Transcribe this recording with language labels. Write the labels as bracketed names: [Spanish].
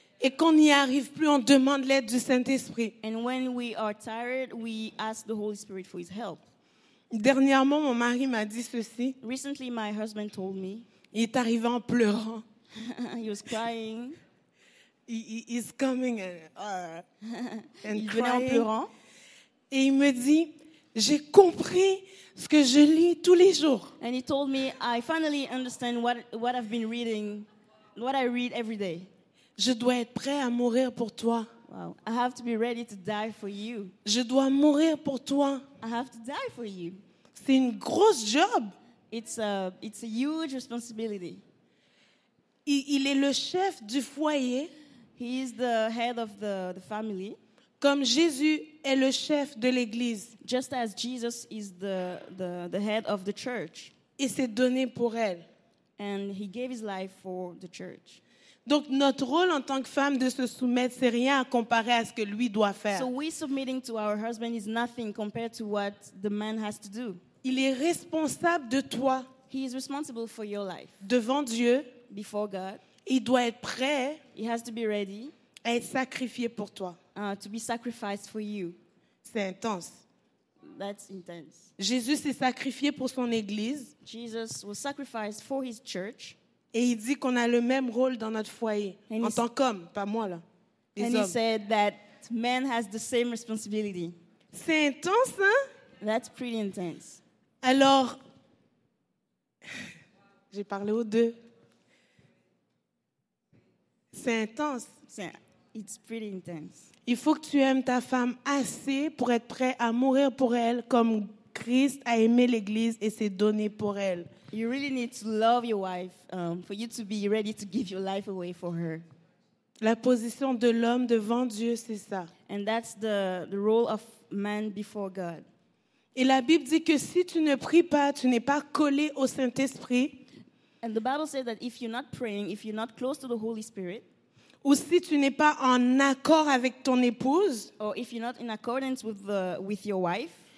[French] Et quand on n'y arrive plus, on demande l'aide du Saint-Esprit. [English] And when we are tired, we ask the Holy Spirit for his help. [French] Dernièrement, mon mari m'a dit ceci. [English] Recently, my husband told me. [French] Il est arrivé en pleurant. [English] He was crying. He's coming and [French] il venait [English] crying. [French] En pleurant. Et il me dit, j'ai compris ce que je lis tous les jours. [English] And he told me, I finally understand what I've been reading, what I read every day. [French] Je dois être prêt à mourir pour toi. [English] Wow. I have to be ready to die for you. [French] Je dois mourir pour toi. [English] I have to die for you. [French] C'est une grosse job. [English] It's a huge responsibility. [French] Il est le chef du foyer. [English] He is the head of the family. [French] Comme Jésus est le chef de l'église. [English] Just as Jesus is the head of the church. [French] Il s'est donné pour elle. [English] And he gave his life for the church. [French] Donc notre rôle en tant que femme de se soumettre, c'est rien à comparer à ce que lui doit faire. [English] So we submitting to our husband is nothing compared to what the man has to do. [French] Il est responsable de toi. [English] He is responsible for your life. [French] Devant Dieu. [English] Before God. [French] Il doit être prêt. [English] He has to be ready. [French] À être sacrifié pour toi. [English] To be sacrificed for you. [French] C'est intense. [English] That's intense. [French] Jésus s'est sacrifié pour son église. [English] Jesus was sacrificed for his church. [French] Et il dit qu'on a le même rôle dans notre foyer en tant qu'homme, pas moi là. Les and hommes. [English] He said that man has the same responsibility. [French] C'est intense, hein? [English] That's pretty intense. [French] Alors, j'ai parlé aux deux. C'est intense. [English] It's pretty intense. [French] Il faut que tu aimes ta femme assez pour être prêt à mourir pour elle comme Christ a aimé l'église et s'est donné pour elle. [English] You really need to love your wife for you to be ready to give your life away for her. [French] La position de l'homme devant Dieu, c'est ça. [English] And that's the role of man before God. [French] Et la Bible dit que si tu ne pries pas, tu n'es pas collé au Saint-Esprit. [English] And the Bible says that if you're not praying, if you're not close to the Holy Spirit, [French] ou si tu n'es pas en accord avec ton épouse, [English] or if you're not in accordance with your wife,